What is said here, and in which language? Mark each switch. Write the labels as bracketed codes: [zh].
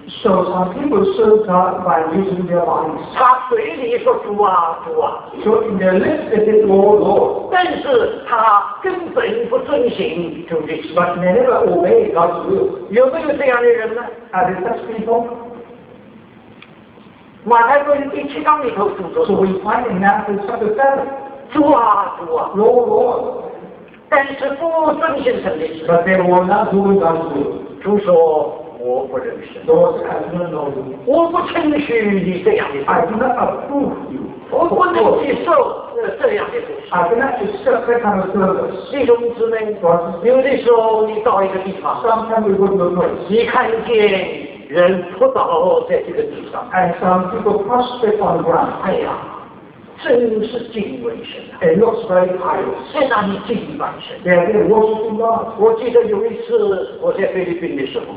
[en] So some people serve God by using their bodies. [zh] 他嘴里说主啊主啊。 [en] So in their lips they say Lord Lord. [zh] 但是他根本不遵行主的。 [en] But they never obey God's will. [zh] 有没有这样的人呢 [en] ？Are there such people? [zh] 马太福音第七章里头主说。 [en] So we find in Matthew chapter 7. [zh] 主啊主啊。 [en] Lord Lord. [zh] 但是不遵行神的。 [en] But they will not do God's will. [zh] 主说。我不认识 我不称许你这样的事 [en] I do not approve you [zh] 我不能接受这样的事 [en] I cannot accept that kind of service [zh] 弟兄姊妹 有的时候你到一个地方 [en] Sometimes we go to a place [zh] 你看见人扑倒在这个地上 [en] And some people prostrate on the ground [zh] 哎呀真是敬畏神啊，在那里敬拜神。我记得有一次我在菲律宾的时候，